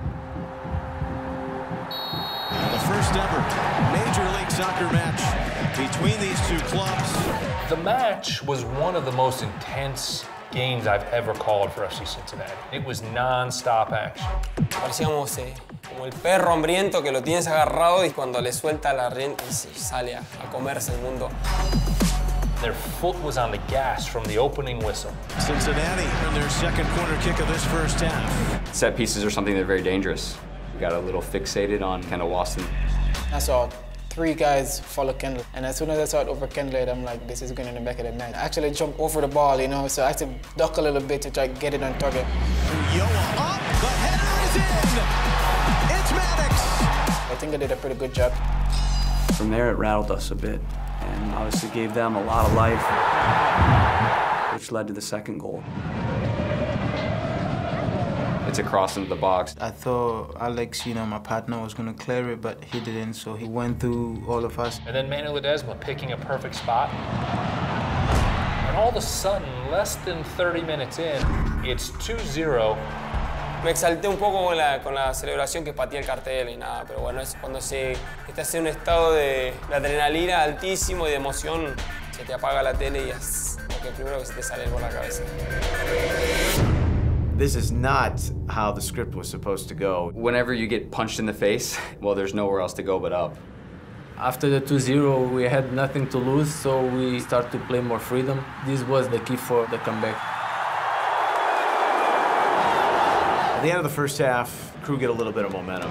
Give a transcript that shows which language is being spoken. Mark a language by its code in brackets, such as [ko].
[en] The first ever Major League Soccer match between these two clubs. The match was one of the most intense games I've ever called for FC Cincinnati. It was non-stop action. [es] Parecíamos como el perro hambriento que lo tienes agarrado y cuando le suelta la rienda sale a comerse el mundo. [en] Their foot was on the gas from the opening whistle. Cincinnati on their second corner kick of this first half. Set pieces are something that are very dangerous. We got a little fixated on Kendall Watson. That's all. Three guys follow Kendall, and as soon as I saw it over Kendall, I'm like, this is going in the back of the net. I actually jumped over the ball, you know, so I had to duck a little bit to try to get it on target. Yoa up, the header is in! It's Maddox! I think I did a pretty good job. From there, it rattled us a bit, and obviously gave them a lot of life, which led to the second goal. It's a cross into the box. I thought Alex, you know, my partner, was going to clear it, but he didn't, so he went through all of us. And then Manny Ledesma picking a perfect spot. And all of a sudden, less than 30 minutes in, it's 2-0. [es] Me exalté un poco con la celebración que patí el cartel y nada, pero bueno, es cuando se estás en un estado de adrenalina altísimo y de emoción, se te apaga la tele y es lo que primero que se te sale por la cabeza. [en] This is not how the script was supposed to go. Whenever you get punched in the face, well, there's nowhere else to go but up. After the 2-0, we had nothing to lose, so we start to play more freedom. This was the key for the comeback. At the end of the first half, crew get a little bit of momentum.